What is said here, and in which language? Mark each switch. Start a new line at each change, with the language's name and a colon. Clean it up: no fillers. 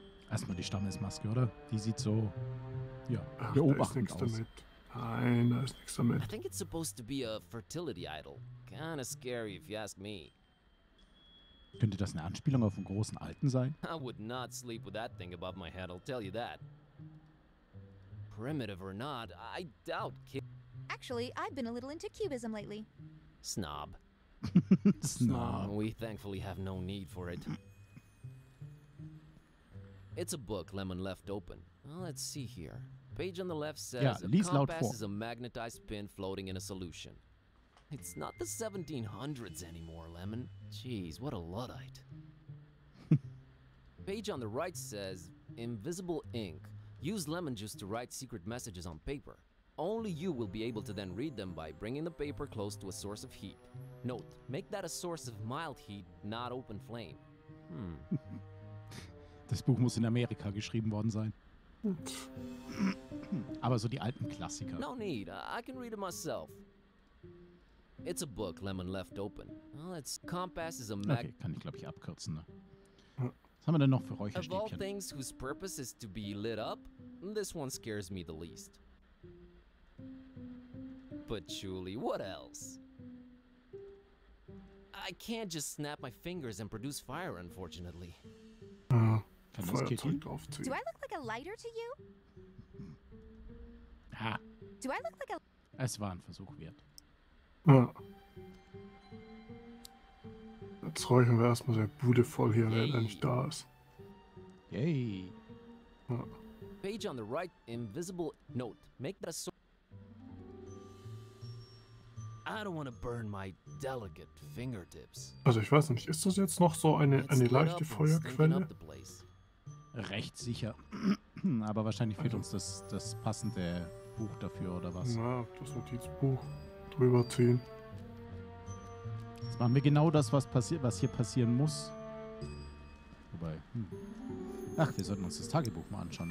German: Erstmal die Stammesmaske, oder? Die sieht so, ja, ach, beobachtend da ist nichts aus. Damit. Nein, da ist nichts damit.
English: I think it's supposed to be a fertility idol. Kinda scary, if you ask me.
German: Könnte das eine Anspielung auf einen großen Alten sein?
English: I would not sleep with that thing above my head, I'll tell you that. Primitive or not, I doubt Actually, I've been a little into cubism lately. Snob. Snob. We thankfully have no need for it. It's a book Lemon left open. Well, let's see here. Page on the left says yeah, a compass is a magnetized pin floating in a solution. It's not the 1700s anymore, Lemon. Jeez, what a Luddite. Page on the right says invisible ink. Use lemon juice to write secret messages on paper. Only you will be able to then read them by bringing the paper close to a source of heat. Note, make that a source of mild heat, not open flame.
German: Das Buch muss in Amerika geschrieben worden sein. Aber so die alten Klassiker.
English: No need. I can read it myself. It's a book Lemon left open. Well, it's compass is a
German: okay, kann ich glaube ich abkürzen. Ne? Was haben wir denn noch für Räucherstäbchen?
English: Of all things whose purpose is to be lit up, this one scares me the least. But Julie, what else? I can't just snap my fingers and produce fire, unfortunately. Do I look like a lighter to you? Ha. Do I look like a...
German: Es war ein Versuch wert. Ja. Jetzt räuchern wir erstmal der Bude voll hier, wenn er nicht da ist. Yay. Ja.
English: Page on the right, invisible note. Make that a so... I don't want to burn my delicate fingertips.
German: Also ich weiß nicht, ist das jetzt noch so eine leichte Feuerquelle? Recht sicher. Aber wahrscheinlich fehlt uns das passende Buch dafür, oder was? Na, das Notizbuch drüber ziehen. Jetzt machen wir genau das, was hier passieren muss. Wobei, Ach, wir sollten uns das Tagebuch mal anschauen.